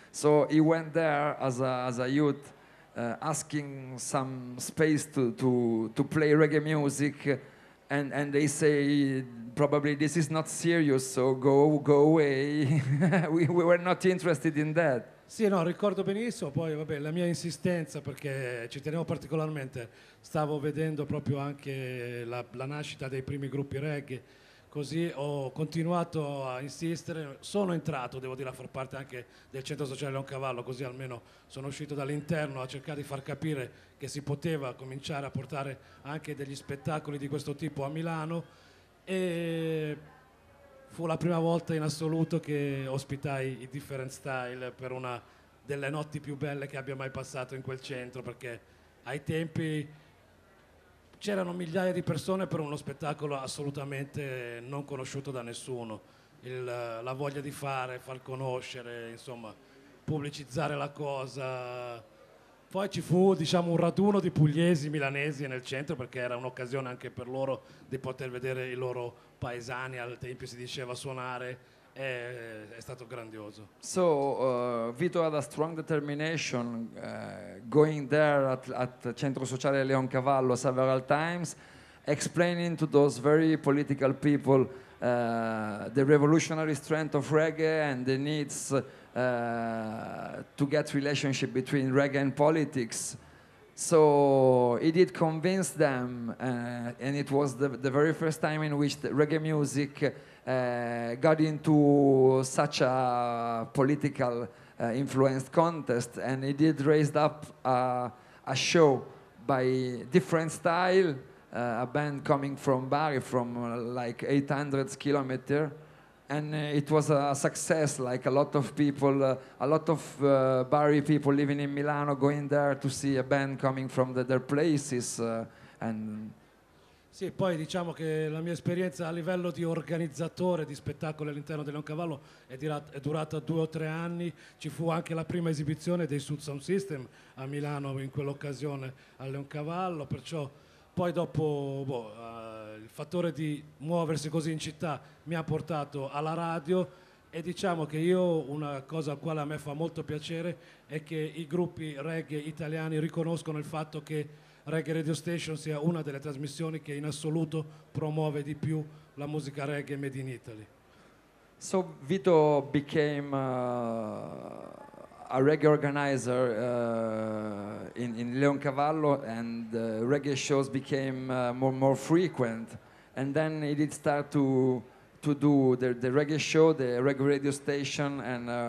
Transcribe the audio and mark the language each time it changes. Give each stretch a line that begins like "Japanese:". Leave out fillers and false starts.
English: So he went there as a youth, asking some space to play reggae music, and they say probably this is not serious, so go away. we were not interested in that.
Italian: Sì, no, ricordo benissimo. Poi vabbè, la mia insistenza, perché ci tenevo particolarmente, stavo vedendo proprio anche la nascita dei primi gruppi reggae, così ho continuato a insistere, sono entrato, devo dire, a far parte anche del centro sociale Leoncavallo, così almeno sono uscito dall'interno a cercare di far capire che si poteva cominciare a portare anche degli spettacoli di questo tipo a Milano, e fu la prima volta in assoluto che ospitai i Different Style per una delle notti più belle che abbia mai passato in quel centro, perché ai tempi c'erano migliaia di persone per uno spettacolo assolutamente non conosciuto da nessuno. La voglia di fare, far conoscere, insomma, pubblicizzare la cosa. Poi ci fu, diciamo, un raduno di pugliesi, milanesi nel centro, perché era un'occasione anche per loro di poter vedere i loro paesani, al tempo si diceva, suonare. È stato grandioso.
English: So Vito had a strong determination going there at Centro Sociale Leoncavallo several times, explaining to those very political people the revolutionary strength of reggae and the needs to get relationship between reggae and politics. So he did convince them, and it was the very first time in which the reggae music got into such a political influenced contest, and he did raise up a show by Different Style, a band coming from Bari, from like 800 kilometers, and it was a success, like a lot of people, a lot of Bari people living in Milano going there to see a band coming from their places. And
Italian: sì, poi diciamo che la mia esperienza a livello di organizzatore di spettacoli all'interno del Leoncavallo è durata 2 o 3 anni. Ci fu anche la prima esibizione dei Sud Sound System a Milano in quell'occasione al Leoncavallo, perciò poi dopo il fattore di muoversi così in città mi ha portato alla radio, e diciamo che io, una cosa al quale a me fa molto piacere, è che i gruppi reggae italiani riconoscono il fatto che Reggae Radio Station sia una delle trasmissioni che in assoluto promuove di più la musica reggae made in Italy.
English: So Vito became a reggae organizer in Leoncavallo, and reggae shows became more frequent, and then he did start to do the reggae show, the Reggae Radio Station, and